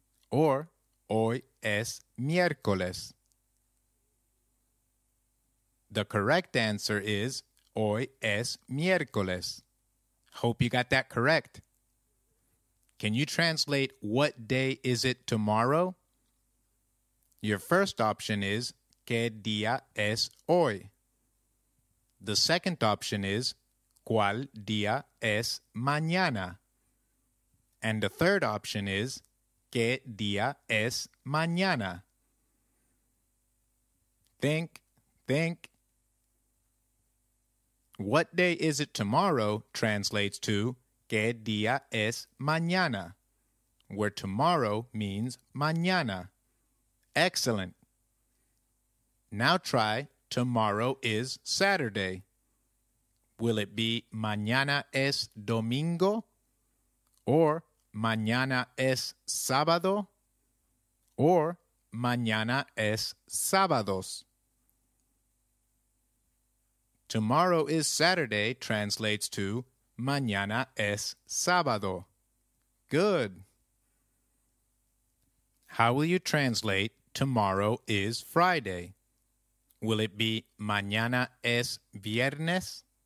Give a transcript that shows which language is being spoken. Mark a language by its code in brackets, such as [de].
[es] Or hoy es miércoles? [en] The correct answer is [es] hoy es miércoles. [en] Hope you got that correct. Can you translate what day is it tomorrow? Your first option is [es] ¿qué día es hoy? [en] The second option is [es] ¿cuál día es mañana? [en] And the third option is [es] ¿qué día es mañana? [en] Think, think. What day is it tomorrow translates to [es] ¿qué día es mañana? [en] Where tomorrow means mañana. Excellent. Now try tomorrow is Saturday. Will it be [es] mañana es domingo? Or mañana es sábado? Or mañana es sábados? [en] Tomorrow is Saturday translates to [es] mañana es sábado. [en] Good. How will you translate tomorrow is Friday? Will it be [es] mañana es viernes?